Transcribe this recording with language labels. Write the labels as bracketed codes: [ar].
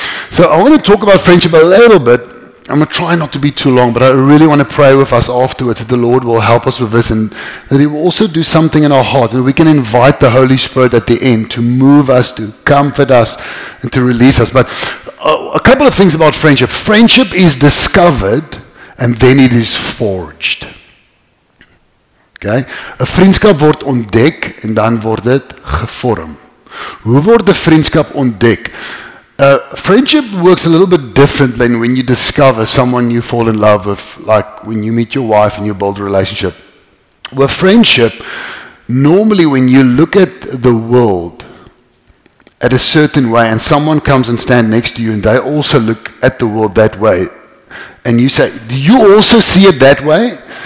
[en] So I want to talk about friendship a little bit. I'm going to try not to be too long, but I really want to pray with us afterwards that the Lord will help us with this and that He will also do something in our heart and we can invite the Holy Spirit at the end to move us, to comfort us, and to release us. But a couple of things about friendship. Friendship is discovered and then it is forged. Okay? [af] A vriendskap word ontdek en dan word het gevorm. Hoe word de vriendskap ontdek? [en] Friendship works a little bit different than when you discover someone you fall in love with, like when you meet your wife and you build a relationship. With friendship, normally when you look at the world at a certain way and someone comes and stands next to you and they also look at the world that way, and you say, do you also see it that way?